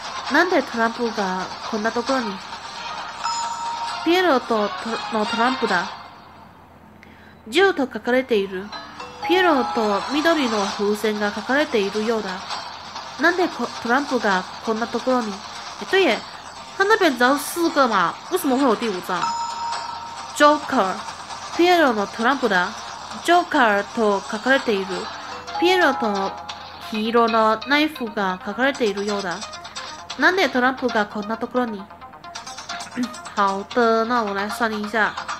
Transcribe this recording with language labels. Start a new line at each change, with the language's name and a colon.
Japanese: なんでトランプがこんなところに。ピエロとのトランプだ。銃と隠れている。ピエロと緑の風船が隠れているようだ。なんでトランプがこんなところに？
Chinese: え、对耶。他那边只有四个嘛，为什么会有第五张
Japanese: ？Joker、ピエロのトランプだ。Joker と書かれている。ピエロと黄色のナイフが書かれているようだ。なんでトランプがこんなところに？
Chinese: 好的、那我来算一下。